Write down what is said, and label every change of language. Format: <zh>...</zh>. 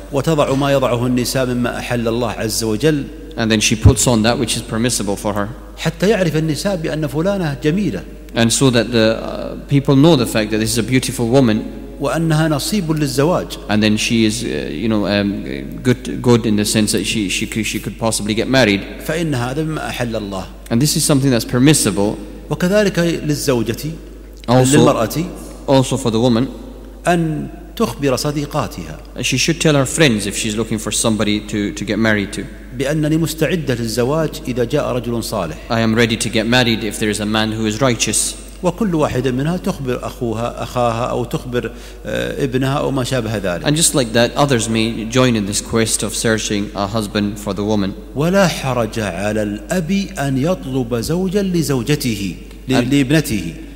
<ar>وتضع ما يضعه النساء مما أحل الله عز وجل.</ar> <en>And then she puts on that which is permissible for her.</en> <ar>حتى يعرف النساء بأن فلانة جميلة.</ar> <en>And so that the people know the fact that this is a beautiful woman.</en> <ar>وأنها نصيب للزواج.</ar> <en>And then she is, you know, good in the sense that she could possibly get married.</en> <ar>فإن هذا مما أحل الله.</ar> <en>And this is something that's permissible.</en> <ar>وكذلك للزوجة, للمرأة,</ar> <en>also for the woman,</en> <ar>أن تخبر صديقاتها.</ar> <en>And she should tell her friends if she's looking for somebody to get married to.</en> <ar>بأنني مستعدة للزواج إذا جاء رجل صالح.</ar> <en>I am ready to get married if there is a man who is righteous.</en> <ar>وكل واحدة منها تخبر أخاها أو تخبر ابنها أو ما شابه ذلك.</ar> <en>And just like that, others may join in this quest of searching a husband for the woman.</en> <ar>ولا حرج على الأب أن يطلب زوجا لزوجته لابنته.</ar>